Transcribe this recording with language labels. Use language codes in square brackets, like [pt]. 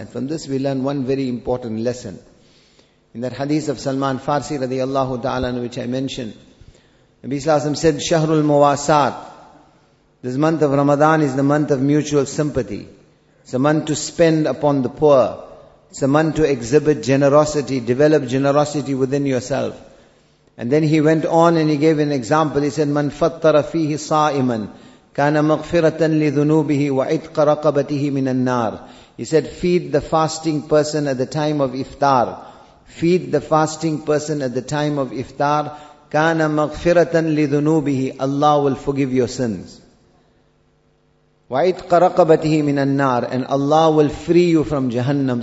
[en] And from this we learn one very important lesson. In that hadith of Salman Farsi radiallahu ta'ala, which I mentioned, Nabi Sallallahu Alaihi Wasallam said, [ar] شَهْرُ الْمُوَاسَاتِ. [en] This month of Ramadan is the month of mutual sympathy. It's a month to spend upon the poor. It's a month to exhibit generosity, develop generosity within yourself. And then he went on and he gave an example. He said, [ar] مَنْ فَطَّرَ فِيهِ صَائِمًا كَانَ مَغْفِرَةً لِذُنُوبِهِ وَعِتْقَ رَقَبَتِهِ مِنَ النَّارِ. [en] He said, feed the fasting person at the time of iftar. Feed the fasting person at the time of iftar. [ar] كَانَ مَغْفِرَةً لِذُنُوبِهِ. [en] Allah will forgive your sins. [ar] وَعِتْقَ رَقَبَتِهِ مِنَ النَّارِ. [en] And Allah will free you from Jahannam.